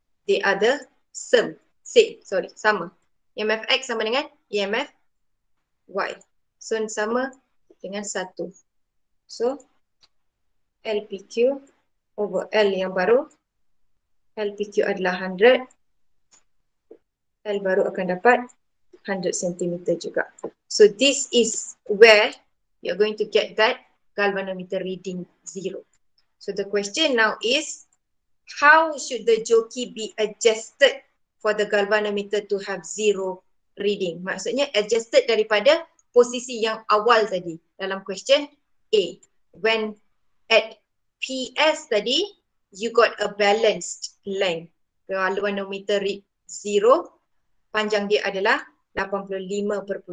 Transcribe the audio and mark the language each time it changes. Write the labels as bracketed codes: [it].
[en] They are the same. [ms] Sama. [en] EMFX [ms] sama dengan [en] EMFY. [ms] So, sama dengan satu. So, LPQ over L yang baru. LPQ adalah 100. L baru akan dapat 100 cm juga. [en] So, this is where you're going to get that galvanometer reading 0. So, the question now is, how should the jockey be adjusted for the galvanometer to have 0 reading? [ms] Maksudnya, adjusted daripada posisi yang awal tadi dalam question A. [en] When at PS [ms] tadi, [en] you got a balanced length. [ms] Galvanometer read 0, panjang dia adalah 85.7.